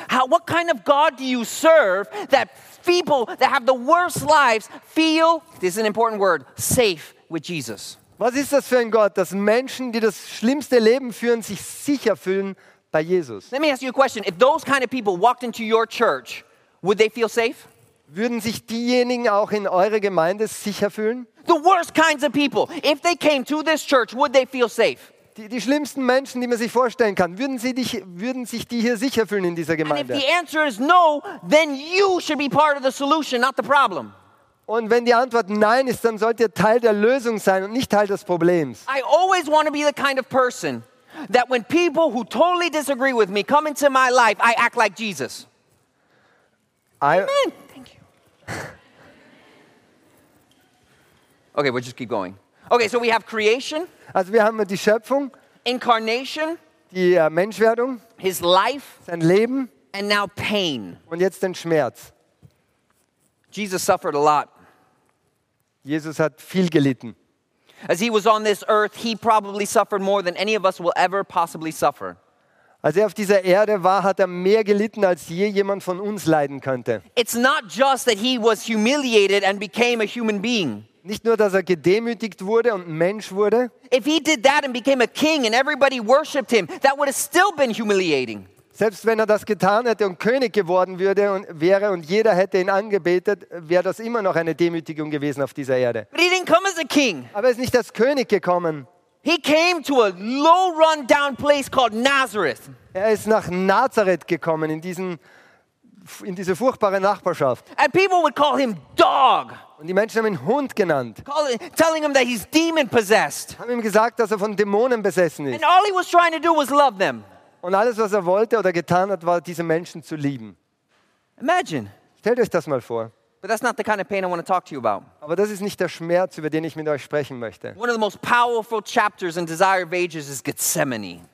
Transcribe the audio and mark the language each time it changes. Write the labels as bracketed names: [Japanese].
[English] What kind of God do you serve that people that have the worst lives feel, this is an important word, safe with Jesus? [German] Was ist das für ein Gott, dass Menschen, die das schlimmste Leben führen, sich sicher fühlen bei Jesus? [English] Let me ask you a question. If those kind of people walked into your church, would they feel safe? [German] Würden sich diejenigen auch in eurer Gemeinde sicher fühlen? [English] The worst kinds of people. If they came to this church, would they feel safe? [German] Die schlimmsten Menschen, die man sich vorstellen kann, würden sich die hier sicher fühlen in dieser Gemeinde? [English] And if the answer is no, then you should be part of the solution, not the problem. [German] Und wenn die Antwort nein ist, dann sollt ihr Teil der Lösung sein und nicht Teil des Problems. [English] I always want to be the kind of person that when people who totally disagree with me come into my life, I act like Jesus. Amen. Okay, we'll just keep going. Okay, so we have creation. [German] Also wir haben die Schöpfung. [English] Incarnation. [German] Die Menschwerdung. [English] His life. [German] Sein Leben. [English] And now pain. [German] Und jetzt den Schmerz. [English] Jesus suffered a lot. [German] Jesus hat viel gelitten. [English] As he was on this earth, he probably suffered more than any of us will ever possibly suffer. [German] Als er auf dieser Erde war, hat er mehr gelitten, als je jemand von uns leiden könnte. [English] It's not just that he was humiliated and became a human being. [German] Nicht nur, dass er gedemütigt wurde und Mensch wurde. [English] If he did that and became a king and everybody worshipped him, that would have still been humiliating. [German] Selbst wenn er das getan hätte und König geworden wäre und jeder hätte ihn angebetet, wäre das immer noch eine Demütigung gewesen auf dieser Erde. [English] But he didn't come as a king. [German] Aber er ist nicht als König gekommen. [English] He came to a low run down place called Nazareth. [German] Er ist nach Nazareth gekommen, in diesen in diese furchtbare Nachbarschaft. [English] And people would call him dog. [German] Und die Menschen haben ihn Hund genannt. [English] Telling him that he's demon possessed. [German] Haben ihm gesagt, dass er von Dämonen besessen ist. [English] And all he was trying to do was love them. [German] Und alles, was er wollte oder getan hat, war, diese Menschen zu lieben. [English] Imagine. [German] Stellt euch das mal vor. [English] But that's not the kind of pain I want to talk to you about. [German] Aber das ist nicht der Schmerz, über den ich mit euch sprechen möchte. [English] One of the most powerful chapters in Desire of Ages is Gethsemane.